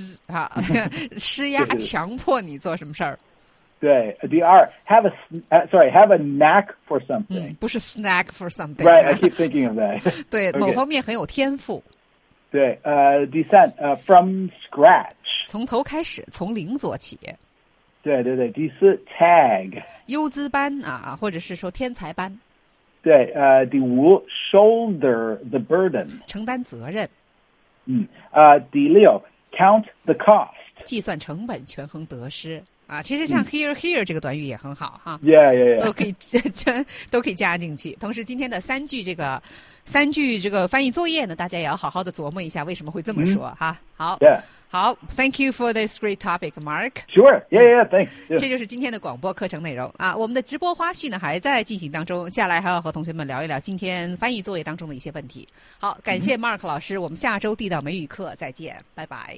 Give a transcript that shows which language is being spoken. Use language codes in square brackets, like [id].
[zh] 好，施压强迫你做什么事儿？ [en] 对 ，the R have a have a knack for something.、 [zh] 不是 [en] snack for something. Right, I keep thinking of that. [zh] 对， okay. 某方面很有天赋。对，第三， [en] from scratch. [zh] 从头开始，从零做起。对对对，第四 tag 优资班啊，或者是说天才班。对，第五 [en] shoulder the burden [zh] 承担责任。第六 [en] count the cost [zh] 计算成本，权衡得失啊。其实像 [en] here here [zh] 这个短语也很好哈。 [en] Yeah. [zh] 都可以加进去。同时，今天的三句这个翻译作业呢，大家也要好好的琢磨一下为什么会这么说哈。好。 [en] Yeah. 好 ,thank you for this great topic, Mark. Sure, yeah, thanks. Yeah. [zh] 这就是今天的广播课程内容啊。我们的直播花絮呢还在进行当中，下来还要和同学们聊一聊今天翻译作业当中的一些问题。好，感谢 Mark 老师，我们下周地道美语课再见，拜拜。